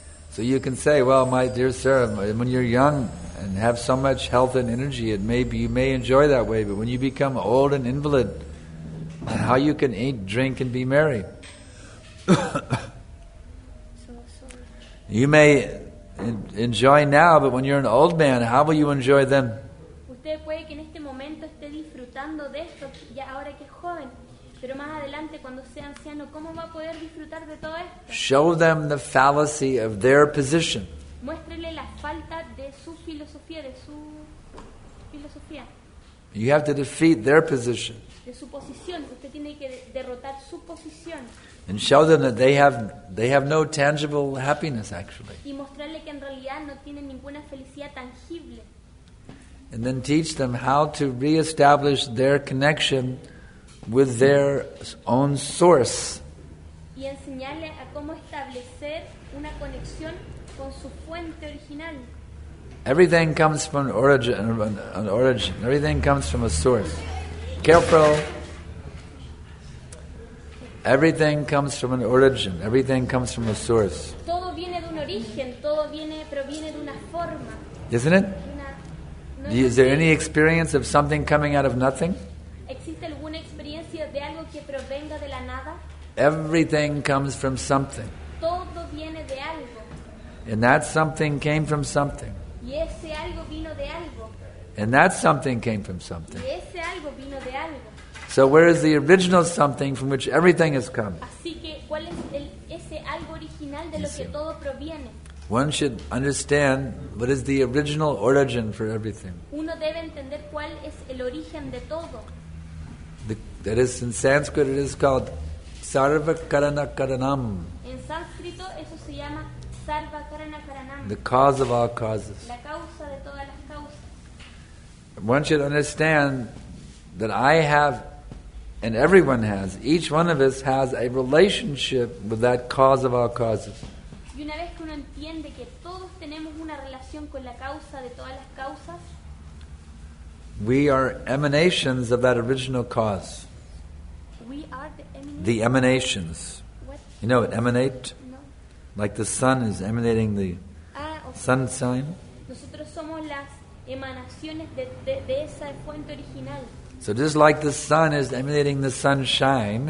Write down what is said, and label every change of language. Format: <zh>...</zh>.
<en>So you can say, well, my dear sir, when you're young and have so much health and energy, it may be, you may enjoy that way, but when you become old and invalid, how you can eat, drink, and be merry? You may enjoy now, but when you're an old man, how will you enjoy then?</en> <es>Usted puede que en este momento esté disfrutando de esto, ya ahora que es joven. Pero más adelante, cuando sea anciano, ¿cómo va a poder disfrutar de todo esto?</es> <en>Show them the fallacy of their position.</en> <es>Muéstrele la falta de su filosofía, de su filosofía.</es> <en>You have to defeat their position.</en> <es>De su posición, usted tiene que derrotar su posición.</es> <en>And show them that they have no tangible happiness actually.</en> <es>Y mostrarle que en realidad no tienen ninguna felicidad tangible.</es> <en>And then teach them how to reestablish their connection with their own source.</en> <es>Y enseñarle a cómo establecer una conexión con su fuente original.</es> <en>Everything comes from an origin. Everything comes from a source. Careful. Everything comes from an origin. Everything comes from a source.</en> <es>Todo viene de un origen. Todo proviene de una forma.</es> <en>Isn't it? Is there any experience of something coming out of nothing?</en> <es>¿Existe alguna experiencia de algo que provenga de la nada?</es> <en>Everything comes from something.</en> <es>Todo de algo.</es> <en>And that something came from something.</en> <es>Y ese algo vino de algo.</es> <en>And that something came from something.</en> <es>Y ese algo vino de algo.</es> <en>So where is the original something from which everything has come?</en> <es>Así que, ¿cuál es el, ese algo original de lo que todo proviene?</es> <en>One should understand what is the original origin for everything.</en> <es>Uno debe entender cuál es el origen de todo.</es> <en>That is, in Sanskrit, it is called Sarva Karana Karanam.</en> <es>En sánscrito, eso se llama Sarva Karana Karanam.</es> <en>The cause of all causes.</en> <es>La causa de todas las causas.</es> <en>One should understand that I have, and everyone has, each one of us has a relationship with that cause of all causes.</en> <es>Y una vez que uno entiende que todos tenemos una relación con la causa de todas las causas,</es> <en>we are emanations of that original cause. We are the emanations. The emanations. What? You know, it emanate? No. Like the sun is emanating the sun sign.</en> <es>Nosotros somos las emanaciones de esa fuente original.</es> <en>So just like the sun is emanating the sunshine,</en>